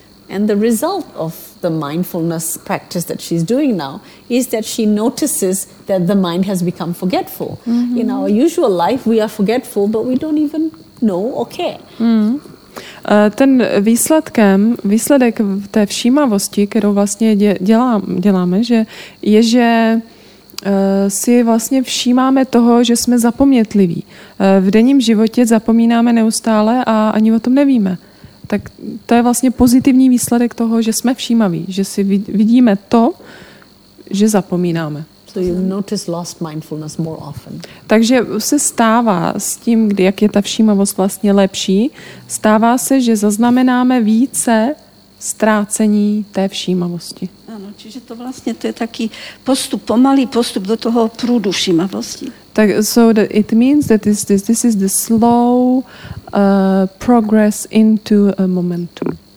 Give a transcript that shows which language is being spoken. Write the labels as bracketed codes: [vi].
[en] And the result of the mindfulness practice that she's doing now is that she notices that the mind has become forgetful. Mm-hmm. In our usual life, we are forgetful, but we don't even know or care. Mm-hmm. [cs] Ten výsledek té všímavosti, kterou vlastně děláme, že je, že si vlastně všímáme toho, že jsme zapomnětliví. V denním životě zapomínáme neustále a ani o tom nevíme. Tak to je vlastně pozitivní výsledek toho, že jsme všímaví, že si vidíme to, že zapomínáme. [en] So you notice lost mindfulness more often. [cs] Takže se stává s tím, kdy jak je ta všímavost vlastně lepší, stává se, že zaznamenáme více ztrácení té všímavosti. Ano, čiže to vlastně to je taký postup, pomalý postup do toho průdu všímavosti. [en] Tak, so that it means that this is the slow progress into a momentum.